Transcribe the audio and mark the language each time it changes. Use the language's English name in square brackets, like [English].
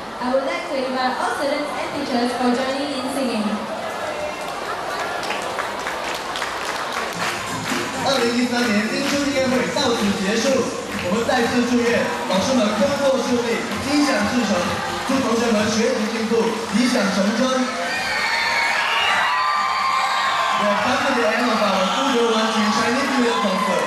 [English] I would like to invite all students and teachers for joining in singing. [Chinese] 2013年新春音乐会到此结束，我们再次祝愿老师们工作顺利，心想事成，祝同学们学习进步，理想成真。 [English] Yeah, come to the end of our 2021 Chinese New Year Conference.